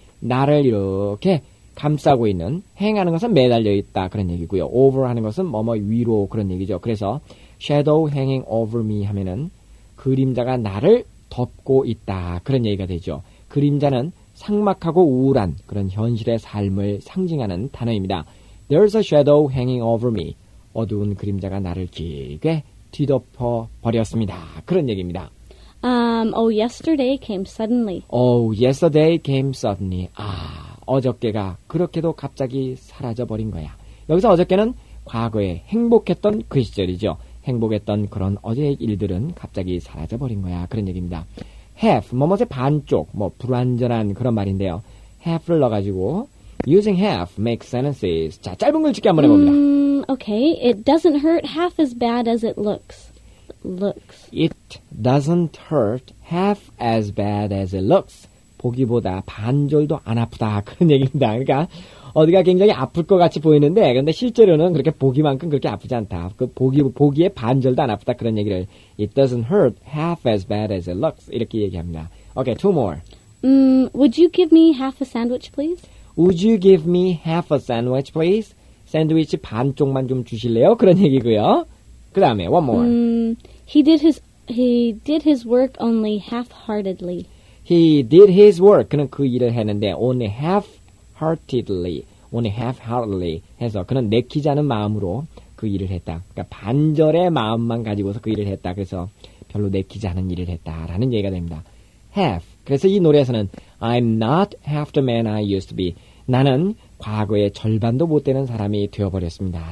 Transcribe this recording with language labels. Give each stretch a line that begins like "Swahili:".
Korean: 나를 이렇게 감싸고 있는, hang 하는 것은 매달려 있다. 그런 얘기고요. over 하는 것은 뭐뭐 위로 그런 얘기죠. 그래서
English: shadow hanging over me
Korean: 하면은 그림자가 나를 덮고 있다. 그런 얘기가 되죠. 그림자는 삭막하고 우울한 그런 현실의 삶을 상징하는 단어입니다.
English: There's a shadow hanging over me.
Korean: 어두운 그림자가 나를 길게 뒤덮어 버렸습니다. 그런 얘기입니다.
English: Yesterday came suddenly. Oh, yesterday came suddenly.
Korean: 아, 어저께가 그렇게도 갑자기 사라져버린 거야. 여기서 어저께는 과거에 행복했던 그 시절이죠. 행복했던 그런 어제의 일들은 갑자기 사라져버린 거야. 그런 얘기입니다. Have, 뭐뭐의 반쪽, 뭐 불완전한 그런 말인데요. Have를 넣어가지고
English: Using have makes sentences.
Korean: 자, 짧은 글 짓기 한번 해봅니다.
English: Okay, it doesn't hurt half as bad as it looks. Looks. It doesn't hurt half as bad as it looks.
Korean: 보기보다 반절도 안 아프다. 그런 얘기입니다. 그러니까 어디가 굉장히 아플 것 같이 보이는데 근데 실제로는 그렇게 보기만큼 그렇게 아프지 않다. 그 보기에 반절도 안 아프다. 그런 얘기를
English: It doesn't hurt half as bad as it looks.
Korean: 이렇게 얘기합니다.
English: Okay, two more. Would you give me half a sandwich, please? Would you give me half a sandwich, please?
Korean: 샌드위치 반쪽만 좀 주실래요? 그런 얘기고요. 그 다음에
English: one more. He did his work only half-heartedly. He did his work.
Korean: 그는 그 일을 했는데
English: only half-heartedly. Only half-heartedly
Korean: 해서 그는 내키지 않은 마음으로 그 일을 했다. 그러니까 반절의 마음만 가지고서 그 일을 했다. 그래서 별로 내키지 않은 일을 했다라는 얘기가 됩니다.
English: Half.
Korean: 그래서 이 노래에서는
English: I'm not half the man I used to be.
Korean: 나는 과거의 절반도 못 되는 사람이 되어버렸습니다.